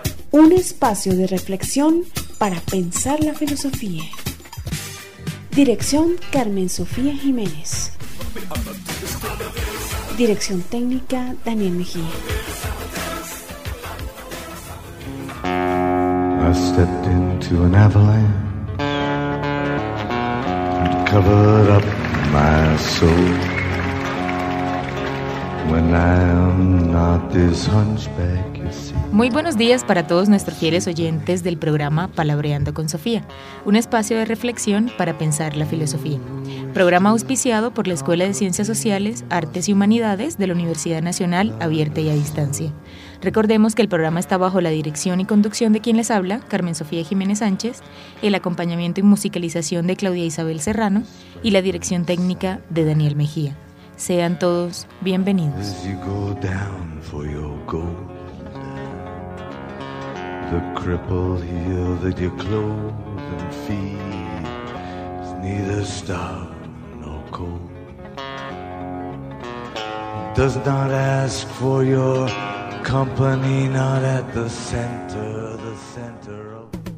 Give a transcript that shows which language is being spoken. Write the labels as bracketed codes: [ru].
[es] Un espacio de reflexión para pensar la filosofía. Dirección Carmen Sofía Jiménez. Dirección técnica Daniel Mejía. [en] I stepped into an avalanche and covered up my soul. When I'm not this hunchback, you see. [es] Muy buenos días para todos nuestros fieles oyentes del programa Palabreando con Sofía, un espacio de reflexión para pensar la filosofía. Programa auspiciado por la Escuela de Ciencias Sociales, Artes y Humanidades de la Universidad Nacional, abierta y a distancia. Recordemos que el programa está bajo la dirección y conducción de quien les habla, Carmen Sofía Jiménez Sánchez, el acompañamiento y musicalización de Claudia Isabel Serrano y la dirección técnica de Daniel Mejía. Sean todos bienvenidos. [en] As you go down for your gold, the cripple here that you clothe and feed is neither starved nor cold. Does not ask for your company, not at the center of...